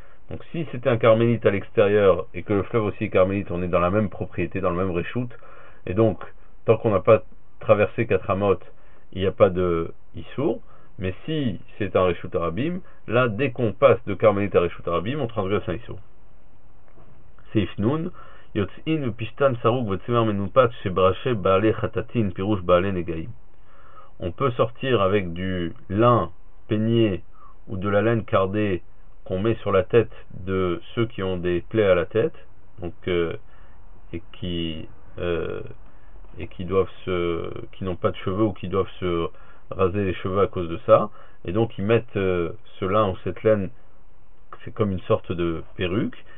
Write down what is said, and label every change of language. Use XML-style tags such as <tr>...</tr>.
<fr>Donc si c'était un Carmélite à l'extérieur et que le fleuve aussi est Carmélite, on est dans la même propriété, dans le même Rishut, et donc tant qu'on n'a pas traversé 4 amot, il n'y a pas de issour. Mais si c'est un Rishut Arabim, là dès qu'on passe de Carmélite à Rishut Arabim, on transgresse un issour.</fr> <he>סעיף נון, יוצאין ופשטן סרוג וצמר מנופץ שבראשי בעלי חטטין, פירוש בעלי נגעים.</he> <fr>On peut sortir avec du lin peigné ou de la laine cardée qu'on met sur la tête de ceux qui ont des plaies à la tête, donc qui n'ont pas de cheveux ou qui doivent se raser les cheveux à cause de ça, et donc ils mettent ce lin ou cette laine, c'est comme une sorte de perruque.</fr>